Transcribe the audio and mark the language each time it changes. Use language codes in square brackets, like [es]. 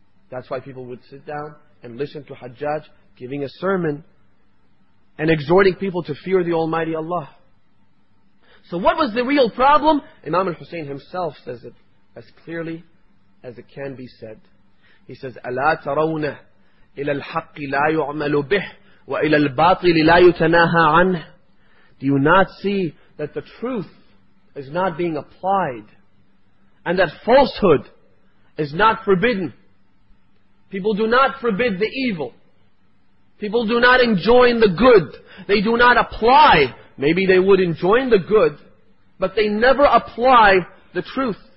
[en] That's why people would sit down and listen to Hajjaj giving a sermon and exhorting people to fear the Almighty Allah. So what was the real problem? Imam al-Hussein himself says it as clearly as it can be said. He says, [ar] أَلَا تَرَوْنَ إِلَى الْحَقِّ لَا يُعْمَلُ بِهِ وَإِلَى الْبَاطِلِ لَا يُتَنَاهَا عَنْهِ. [en] Do you not see that the truth is not being applied and that falsehood is not forbidden? People do not forbid the evil. People do not enjoin the good. They do not apply. Maybe they would enjoin the good, but they never apply the truth.